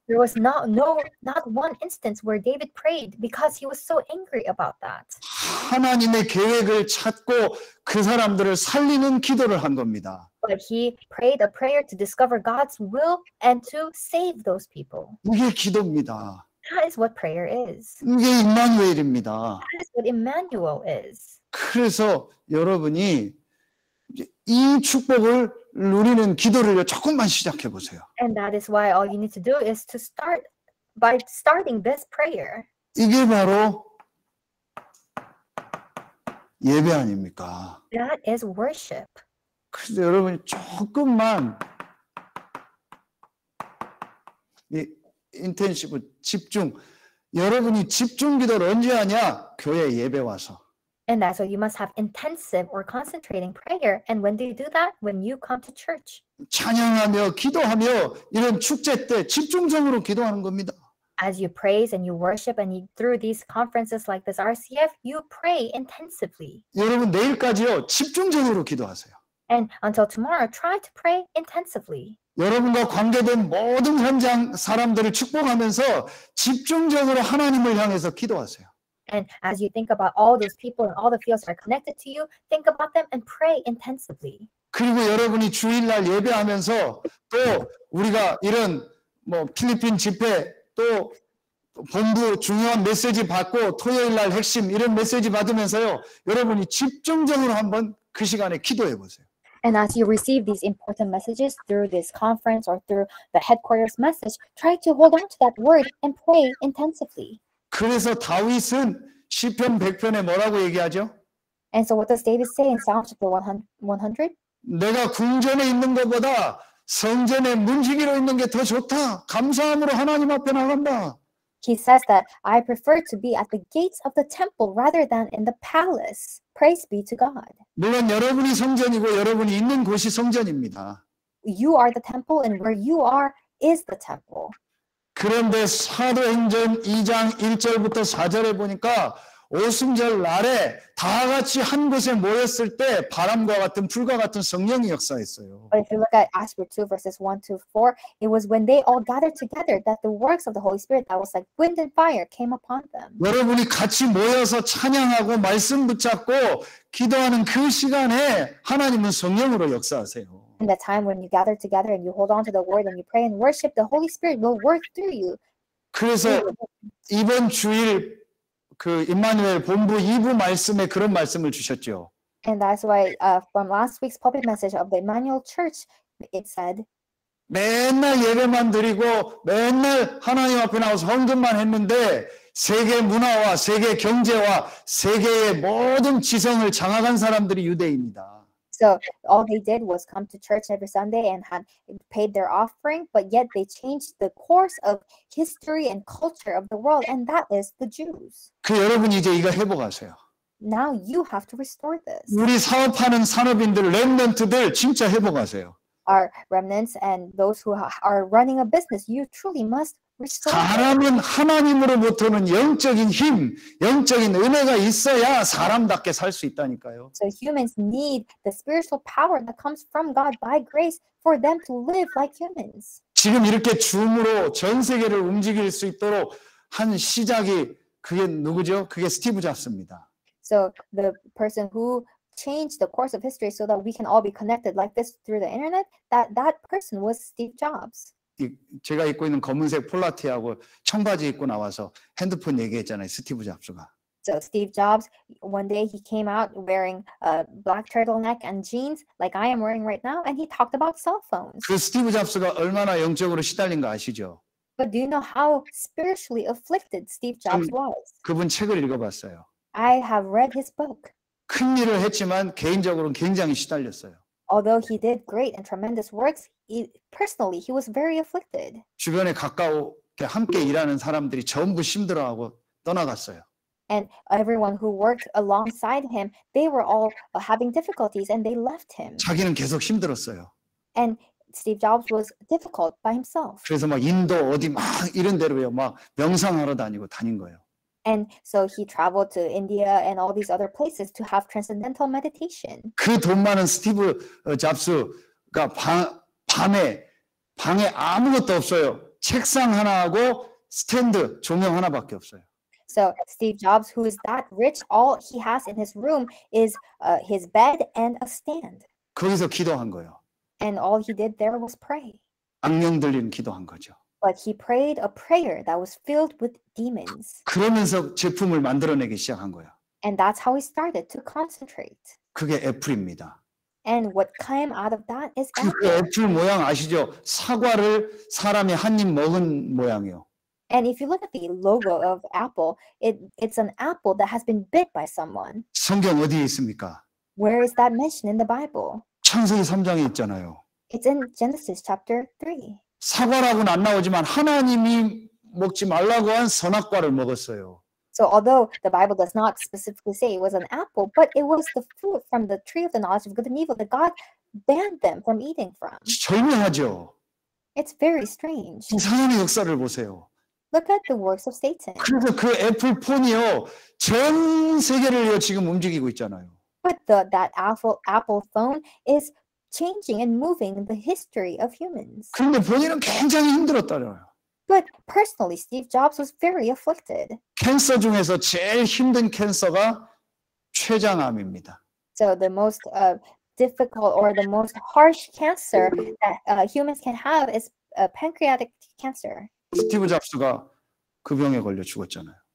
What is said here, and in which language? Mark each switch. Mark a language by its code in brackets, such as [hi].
[en] There was not one instance where David prayed because he was so angry about that. [ko] 하나님의 계획을 찾고 그 사람들을 살리는 기도를 한 겁니다. [en] But he prayed a prayer to discover God's will and to save those people. [ko] 이게 기도입니다. [en] That is what prayer is. [ko] 이게 임마누엘입니다. [en] That is what Emmanuel is. [ko] 그래서 여러분이 이 축복을 누리는 기도를 조금만 시작해 보세요. [en] And that is why all you need to do is to start by starting this prayer. [ko] 이게 바로 예배 아닙니까? [en] That is worship. [ko] 그래서 여러분이 조금만 이 인텐시브 집중. 여러분이 집중 기도를 언제 하냐? 교회 예배 와서. [en] And that's why you must have intensive or concentrating prayer. And when do you do that? When you come to church. [ko] 찬양하며 기도하며 이런 축제 때 집중적으로 기도하는 겁니다. [en] As you praise and you worship and you, through these conferences like this RCF, you pray intensively. [ko] 여러분 내일까지요 집중적으로 기도하세요. [en] And until tomorrow, try to pray intensively. [ko] 여러분과 관계된 모든 현장 사람들을 축복하면서 집중적으로 하나님을 향해서 기도하세요. [en] And as you think about all those people and all the fields that are connected to you, think about them and pray intensively. [ko] 그리고 여러분이 주일날 예배하면서 또 우리가 이런 뭐 필리핀 집회 또 본부 중요한 메시지 받고 토요일날 핵심 이런 메시지 받으면서요. 여러분이 집중적으로 한번 그 시간에 기도해 보세요. [en] And as you receive these important messages through this conference or through the headquarters message, try to hold on to that word and pray intensively. [ko] 그래서 다윗은 시편 100편에 뭐라고 얘기하죠? [en] And so what does David say in Psalm chapter 100? [ko] 내가 궁전에 있는 것보다 성전에 문지기로 있는 게 더 좋다. 감사함으로 하나님 앞에 나간다. [en] He says that I prefer to be at the gates of the temple rather than in the palace. Praise be to God. [ko] 물론 여러분이 성전이고 여러분이 있는 곳이 성전입니다. [en] You are the temple and where you are is the temple. [ko] 그런데 사도행전 2장 1절부터 4절에 보니까 오순절 날에 다 같이 한 곳에 모였을 때 바람과 같은 불과 같은 성령이 역사했어요. [en] But if you look at Acts 2 verses 1 to 4, it was when they all gathered together that the works of the Holy Spirit that was like wind and fire came upon them. [ko] 여러분이 같이 모여서 찬양하고 말씀 붙잡고 기도하는 그 시간에 하나님은 성령으로 역사하세요. [en] In the time when you gather together and you hold on to the word and you pray and worship, the Holy Spirit will work through you. [ko] 그래서 이번 주일 그 임마누엘 본부 2부 말씀에 그런 말씀을 주셨죠. [en] And that's why from last week's pulpit message of the Emmanuel Church, it said, [ko] 맨날 예배만 드리고 맨날 하나님 앞에 나와서 헌금만 했는데 세계 문화와 세계 경제와 세계의 모든 지성을 장악한 사람들이 유대입니다. [en] So all they did was come to church every Sunday and had paid their offering, but yet they changed the course of history and culture of the world, and that is the Jews. [ko] 그 여러분 이제 이거 회복하세요. [en] Now you have to restore this. [ko] 우리 사업하는 산업인들, 렘넌트들 진짜 회복하세요. [en] are remnants and those who are running a business, you truly must restore. [ko] 사람은 하나님으로부터는 영적인 힘, 영적인 은혜가 있어야 사람답게 살 수 있다니까요. [en] So humans need the spiritual power that comes from God by grace for them to live like humans. [ko] 지금 이렇게 줌으로 전 세계를 움직일 수 있도록 한 시작이 그게 누구죠? 그게 스티브 잡스입니다. [en] So the person who changed the course of history so that we can all be connected like this through the internet, that person was Steve Jobs. [ko] 제가 입고 있는 검은색 폴라티하고 청바지 입고 나와서 핸드폰 얘기했잖아요. 스티브 잡스가. [en] So Steve Jobs, one day he came out wearing a black turtleneck and jeans like I am wearing right now, and he talked about cell phones. [ko] 그 스티브 잡스가 얼마나 영적으로 시달린 거 아시죠? [en] But do you know how spiritually afflicted Steve Jobs was? [ko] 그분 책을 읽어봤어요. [en] I have read his book. [ko] 큰 일을 했지만 개인적으로는 굉장히 시달렸어요. [en] Although he did great and tremendous works, personally he was very afflicted. [ko] 주변에 가까우게 함께 일하는 사람들이 전부 힘들어하고 떠나갔어요. [en] And everyone who worked alongside him, they were all having difficulties and they left him. [ko] 자기는 계속 힘들었어요. [en] And Steve Jobs was difficult by himself. [ko] 그래서 막 인도 어디 막 이런 데로요. 막 명상하러 다니고 다닌 거예요. [en] And so he traveled to India and all these other places to have transcendental meditation. [ko] 그 돈 많은 스티브 잡스가 밤에 방에 아무것도 없어요. 책상 하나하고 스탠드 조명 하나밖에 없어요. [en] So Steve Jobs, who is that rich, all he has in his room is his bed and a stand. [ko] 거기서 기도한 거예요. [en] And all he did there was pray. [ko] 악령 들린 기도한 거죠. [en] But he prayed a prayer that was filled with demons. [ko] 그러면서 제품을 만들어내기 시작한 거예요. [en] And that's how he started to concentrate. [ko] 그게 애플입니다. [en] And what came out of that is [ko] apple. 그 애플 모양 아시죠? 사과를 사람이 한 입 먹은 모양이요. [en] And if you look at the logo of Apple, it's an apple that has been bit by someone. [ko] 성경 어디에 있습니까? [en] Where is that mentioned in the Bible? [ko] 창세기 3장에 있잖아요. [en] It's in Genesis chapter 3. [ko] 사과라고는 안 나오지만 하나님이 먹지 말라고 한 선악과를 먹었어요. [en] So although the Bible does not specifically say it was an apple, but it was the fruit from the tree of the knowledge of good and evil that God banned them from eating from. [ko] 절묘하죠. [en] It's very strange. [ko] 사탄의 역사를 보세요. [en] Look at the works of Satan. [ko] 그래서 그 애플 폰이요 전 세계를 지금 움직이고 있잖아요. [en] But that Apple phone is changing and moving the history of humans. [ko] 그런데 본인은 굉장히 힘들었다네요. [en] But personally, Steve Jobs was very afflicted. [ko] 캔서 중에서 제일 힘든 캔서가 췌장암입니다. [en] So the most difficult or the most harsh cancer that humans can have is pancreatic cancer. [ko] 스티브 잡스가 그 병에 걸려 죽었잖아요.